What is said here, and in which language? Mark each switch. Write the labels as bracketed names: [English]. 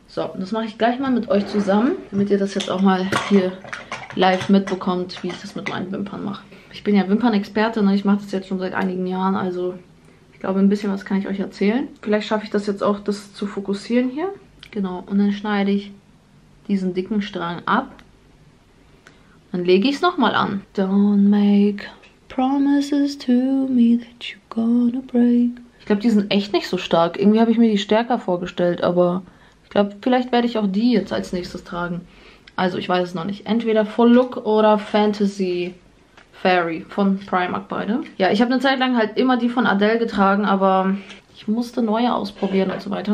[German] So, das mache ich gleich mal mit euch zusammen, damit ihr das jetzt auch mal hier live mitbekommt, wie ich das mit meinen Wimpern mache. Ich bin ja Wimpernexperte, ne? Ich mache das jetzt schon seit einigen Jahren, also ich glaube, ein bisschen was kann ich euch erzählen. Vielleicht schaffe ich das jetzt auch, das zu fokussieren hier. Genau, und dann schneide ich diesen dicken Strang ab. Dann lege ich es nochmal an. [English] Don't make promises to me that you're gonna break. [German] Ich glaube, die sind echt nicht so stark. Irgendwie habe ich mir die stärker vorgestellt, aber ich glaube, vielleicht werde ich auch die jetzt als nächstes tragen. Also, ich weiß es noch nicht. Entweder Full Look oder Fantasy Fairy von Primark beide. Ja, ich habe eine Zeit lang halt immer die von Adele getragen, aber ich musste neue ausprobieren und so weiter.